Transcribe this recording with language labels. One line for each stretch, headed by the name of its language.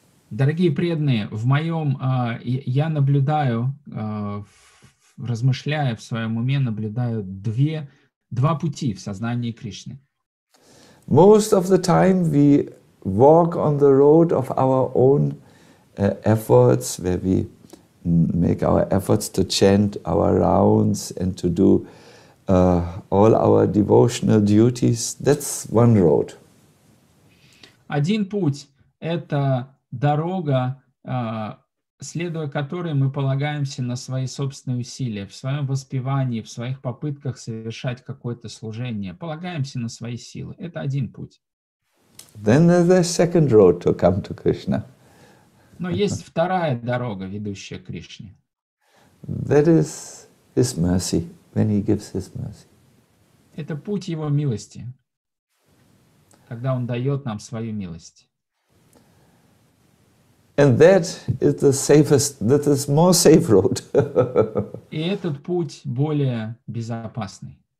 Russian: Дорогие преданные, в моем я наблюдаю, размышляя в своем уме, наблюдаю два пути в сознании Кришны.
English: Most of the time we walk on the road of our own efforts, where we make our efforts to chant our rounds and to do all our devotional duties. That's one road.
Russian: Один путь – это дорога, следуя которой мы полагаемся на свои собственные усилия, в своем воспевании, в своих попытках совершать какое-то служение. Полагаемся на свои силы. Это один путь.
English: Then there's a second road to come to Krishna.
Russian: Но есть вторая дорога, ведущая к Кришне.
English: That is His mercy. When He gives His mercy.
Russian: Это путь Его милости, когда Он дает нам свою милость.
English: And that is the safest, that is more safe road.
Russian: И этот путь более безопасный.